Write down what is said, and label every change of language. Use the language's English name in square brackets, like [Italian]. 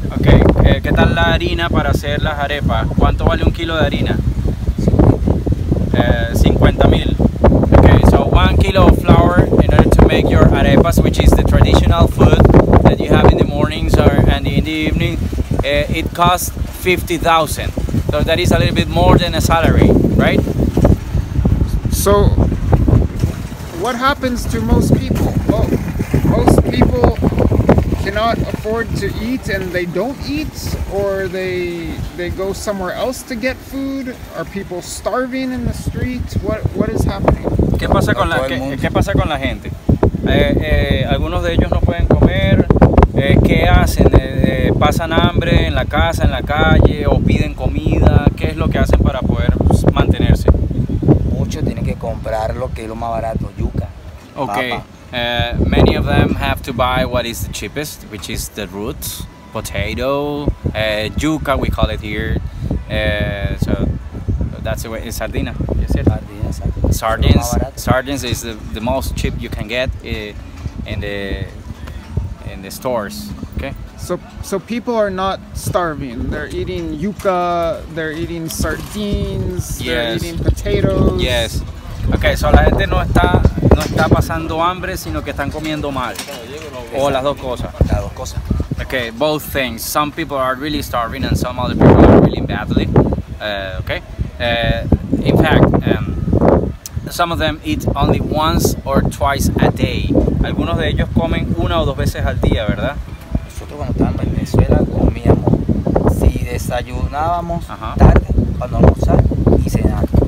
[Spanish] Okay, ¿qué tal la harina para hacer las arepas? ¿Cuánto vale 1 kilo de harina? 50,000. [English] Okay, so 1 kilo of flour in order to make your arepas, which is the traditional food that you have in the mornings or and in the evening, it costs 50,000. So that is a little bit more than a salary, right? So what happens to most people? Well, most people cannot afford to eat and they don't eat, or they go somewhere else to get food. Are people starving in the street? What is happening? [Spanish] ¿Qué pasa con la gente? Algunos de ellos no pueden comer. ¿Qué hacen? ¿Pasan hambre en la casa, en la calle, o piden comida? ¿Qué es lo que hacen para poder mantenerse? Muchos tienen que comprar lo que es lo más barato, yuca. [English] Okay. Many of them have to buy what is the cheapest, which is the root, potato, yuca, we call it here. So that's the way, it's sardina. Sardines is the most cheap you can get in the stores. Okay. So people are not starving. They're eating yuca. They're eating sardines. Yes. They're eating potatoes. Yes. Okay. [Spanish] So la gente no está pasando hambre, sino que están comiendo mal. O las dos cosas. Las dos cosas. [English] Okay. Both things. Some people are really starving, and some other people are really badly. Okay. In fact. Some of them eat only once or twice a day. [Spanish] Algunos de ellos comen una o dos veces al día, ¿verdad? Eso Venezuela comíamos, si desayunábamos tarde para no almorzar y cenar.